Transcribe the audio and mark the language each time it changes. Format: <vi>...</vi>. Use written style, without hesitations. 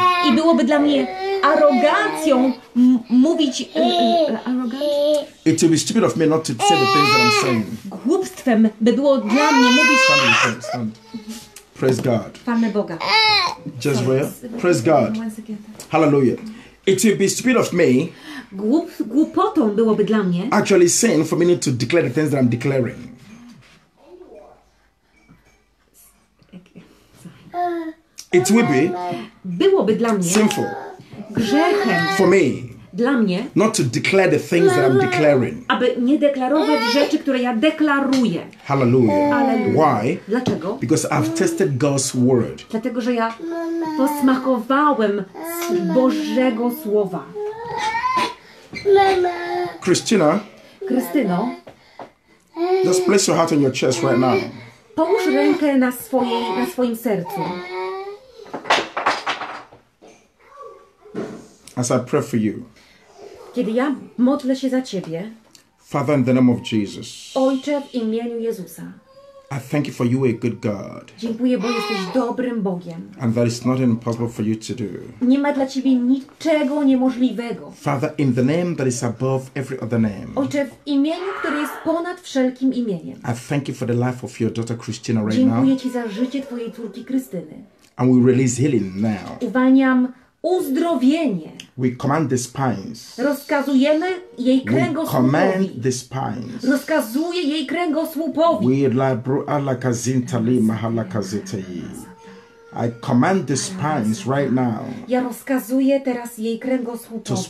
<pl>I byłoby dla mnie arogancją mówić arrogant?</pl> <en>It would be stupid of me not to say the things that I'm saying.</en> <pl>Głupstwem by było dla mnie mówić.</pl> <en>Stand. Praise God.</en> <pl>Panie Boga.</pl> <en>Jezreel. Praise God. Hallelujah. It would be stupid of me.</en> <pl>Głupotą byłoby dla mnie.</pl> <en>Actually saying for me to declare the things that I'm declaring. Okay. It would be.</en> <pl>Byłoby dla mnie.</pl> <en>Sinful.</en> <pl>grzechem.</pl> <en>For me.</en> <pl>Dla mnie.</pl> <en>Not to declare the things that I'm declaring.</en> <pl>Aby nie deklarować rzeczy, które ja deklaruję.</pl> <en>Hallelujah. Hallelujah. Why?</en> <pl>Dlaczego?</pl> <en>Because I've tested God's word.</en> <pl>Dlatego, że ja posmakowałem z Bożego słowa.</pl> <en>Christina.</en> <pl>Krystyno.</pl> <en>Just place your heart on your chest right now.</en> <pl>Połóż rękę na swoim sercu.</pl> <en>As I pray for you.</en> <pl>Kiedy ja modlę się za ciebie.</pl> <en>Father, in the name of Jesus.</en> <pl>Ojcze, w imieniu Jezusa.</pl> <en>I thank you for you a good God.</en> <pl>Dziękuję, bo jesteś dobrym Bogiem.</pl> <en>And that is not impossible for you to do.</en> <pl>Nie ma dla ciebie niczego niemożliwego.</pl> <en>Father, in the name that is above every other name.</en> <pl>Ojcze, w imieniu, które jest ponad wszelkim imieniem.</pl> <en>I thank you for the life of your daughter Christina right</en> <pl>Dziękuję</pl> <en>now.</en> <pl>Dziękuję ci za życie twojej córki Krystyny.</pl> <en>And we release healing now.</en> <pl>Uwalniam uzdrowienie.</pl> <en>We command the spines.</en> <pl>Rozkazujemy jej kręgosłupowi.</pl> <en>We command the spines.</en> <pl>Rozkazuję jej kręgosłupowi. We libro ala kazinta li mahala kazeta yi.</pl> <en>I command the spines right now.</en> <pl>Ja rozkazuję teraz jej kręgosłupowi.</pl>